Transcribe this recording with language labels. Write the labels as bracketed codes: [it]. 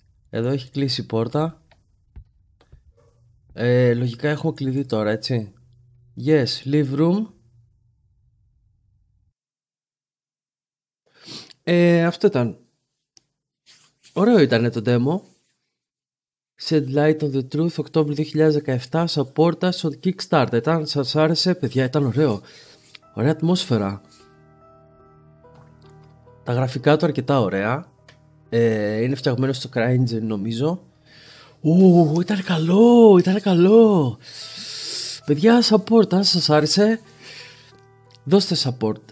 [el] Εδώ έχει κλείσει η πόρτα. Λογικά έχω κλειδί τώρα, έτσι. [en] Yes, leave room. [el] Αυτό ήταν. Ωραίο ήταν το demo. [en] Shed light on the truth, October 2017, support us on Kickstarter. [el] Αν σας άρεσε, παιδιά, ήταν ωραίο. Ωραία ατμόσφαιρα. Τα γραφικά του αρκετά ωραία. Είναι φτιαγμένο στο CryEngine, νομίζω. Ήταν καλό, ήταν καλό. Παιδιά, support, αν σας άρεσε, δώστε support.